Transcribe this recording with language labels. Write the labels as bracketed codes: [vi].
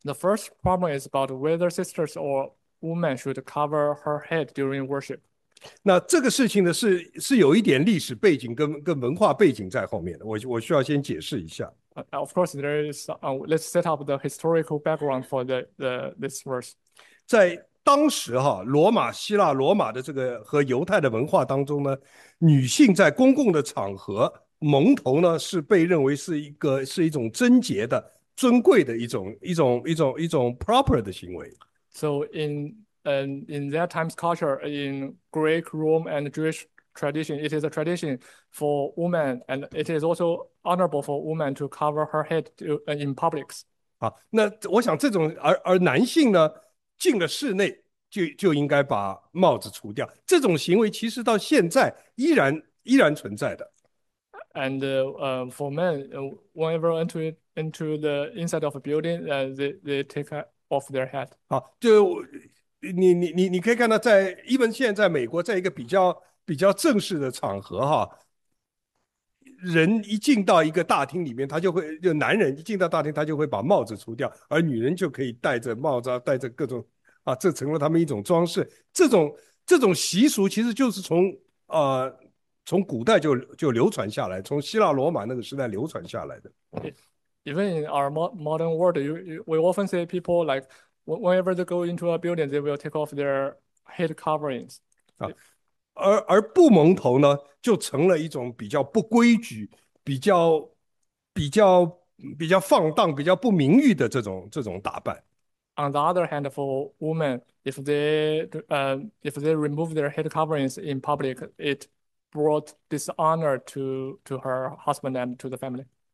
[en] The first problem is about whether sisters or women should cover her head during worship. [zh] 那这个事情呢，是有一点历史背景跟文化背景在后面的，我需要先解释一下。 [en] Of course, let's set up the historical background for this verse. [zh] 在当时哈，罗马、希腊、罗马的这个和犹太的文化当中呢，女性在公共的场合蒙头呢，是被认为是一种贞洁的、尊贵的一种 [en] proper [zh] 的行为。 [en] So in that time's culture, in Greek, Rome, and Jewish tradition, it is a tradition for women, and it is also honorable for women to cover her head in public. [zh] 啊，那我想这种，而男性呢，进了室内就应该把帽子除掉。这种行为其实到现在依然存在的。 [en] And for men, whenever into the inside of a building, they take off their head. [zh] 好，就你可以看到在， [en] even [zh] 现在在美国，在一个比较正式的场合哈。人一进到一个大厅里面，就男人一进到大厅，他就会把帽子除掉，而女人就可以戴着帽子啊，戴着各种啊，这成了他们一种装饰。这种习俗其实就是从古代就流传下来，从希腊罗马那个时代流传下来的。 [en] Even in our modern world, we often say people like whenever they go into a building, they will take off their head coverings. [zh] 而不蒙头呢，就成了一种比较不规矩、比较放荡、比较不名誉的这种打扮。 [en] On the other hand, for women, if they remove their head coverings in public, it brought dishonor to her husband and to the family.